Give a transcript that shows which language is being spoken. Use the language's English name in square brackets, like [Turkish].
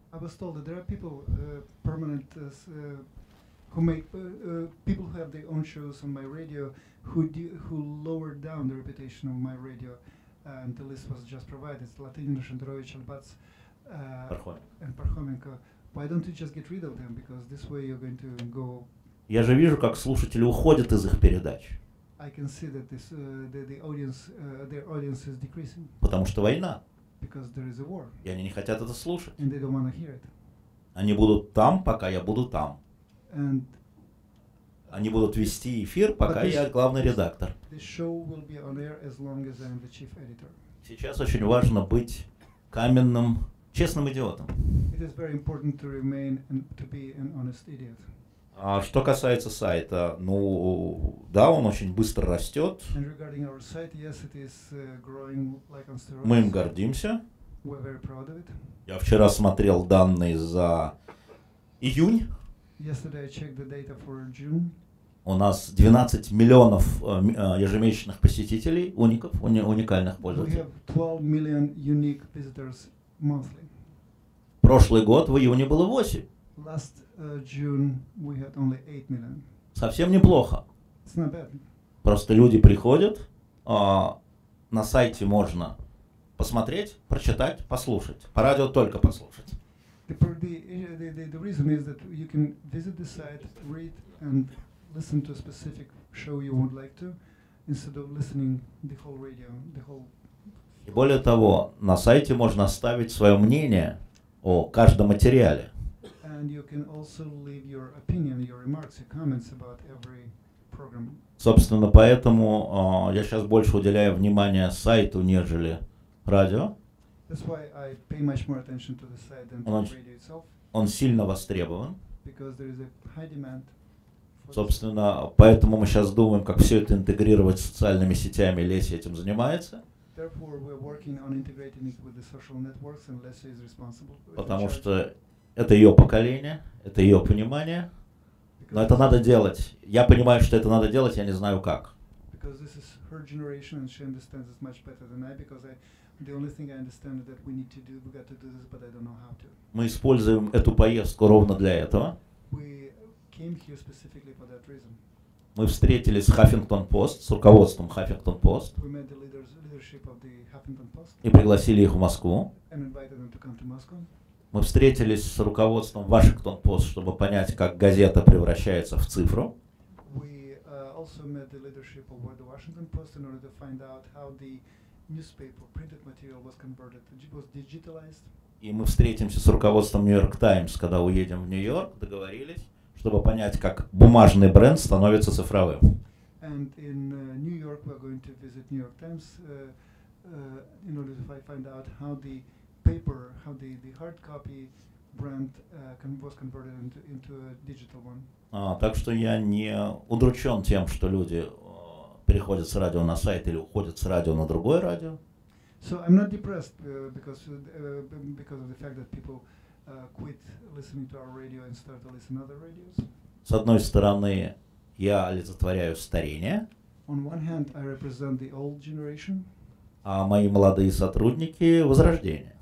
[English] I was told that there are people permanent who make people who have their own shows on my radio who lowered down the reputation of my radio, and the list was just provided: Латынина, Шендерович, Альбац, and Пархоменко. Why don't you just get rid of them? Because this way you're going to go. [Russian] Я же вижу, как слушатели уходят из их передач. [English] I can see that this, the audience, their audience is decreasing. [Russian] Потому что война. [English] Because there is a war. [Russian] И они не хотят это слушать. [English] And they don't wanna hear it. [Russian] Они будут там, пока я буду там. [English] And [Russian] они будут вести эфир, пока я главный редактор. [English] This show will be on air as long as I'm the chief editor. [Russian] Сейчас очень важно быть каменным, честным идиотом. [English] It is very important to remain and to be an honest idiot. [Russian] А что касается сайта, ну да, он очень быстро растет. [English] Site, yes, is, like [Russian] мы им гордимся. [English] We're very proud of it. [Russian] Я вчера смотрел данные за июнь. [English] Yesterday I checked the data for June. [Russian] У нас 12 миллионов ежемесячных посетителей, уников, уникальных пользователей. [English] We have 12 million unique visitors monthly. [Russian] Прошлый год в июне было 8. [English] Last June we had only 8 million. [Russian] Совсем неплохо. [English] It's not bad. [Russian] Просто люди приходят, на сайте можно посмотреть, прочитать, послушать. По радио только послушать. [English] The reason is that you can visit the site, read and listen to a specific show you would like to, instead of listening the whole radio, the whole. [Russian] И более того, на сайте можно оставить свое мнение о каждом материале. [English] and you can also leave your opinion, your remarks, your comments about every program. [Russian] Собственно, поэтому я сейчас больше уделяю внимание сайту, нежели радио. [English] That's why I pay much more attention to the site than to the radio itself. [Russian] Он сильно востребован. [English] Because there is a high demand. [Russian] Собственно, поэтому мы сейчас думаем, как все это интегрировать с социальными сетями. Леся этим занимается. [English] Therefore, we're working on integrating it with the social networks, and Leslie is responsible for it. [Russian] Потому что это ее поколение, это ее понимание. Но это надо делать. Я понимаю, что это надо делать, я не знаю как. [English] Because this is her generation, and she understands it much better than I, because I, the only thing I understand is that we need to do, we got to do this, but I don't know how to. [Russian] Мы используем эту поездку ровно для этого. [English] We came here specifically for that reason. [Russian] Мы встретились с Huffington Post, с руководством Huffington Post. [English] We met the leadership of the Huffington Post. [Russian] И пригласили их в Москву. [English] And invited them to come to Moscow. [Russian] Мы встретились с руководством Washington Post, чтобы понять, как газета превращается в цифру. [English] We also met the leadership of the Washington Post in order to find out how the newspaper printed material was converted, was digitalized. [Russian] И мы встретимся с руководством New York Times, когда уедем в Нью-Йорк, договорились, чтобы понять, как бумажный бренд становится цифровым. [English] And in New York we're going to visit New York Times in order to find out how the paper, how the hard copy brand was converted into a digital one. [Russian] Так что я не удручен тем, что люди переходят с радио на сайт или уходят с радио на другое радио. [English] So I'm not depressed because of the fact that people quit listening to our radio and start to listen to other radios. [Russian] С одной стороны, я олицетворяю старение. [English] On one hand, I represent the old generation. [Russian] А мои молодые сотрудники – возрождение.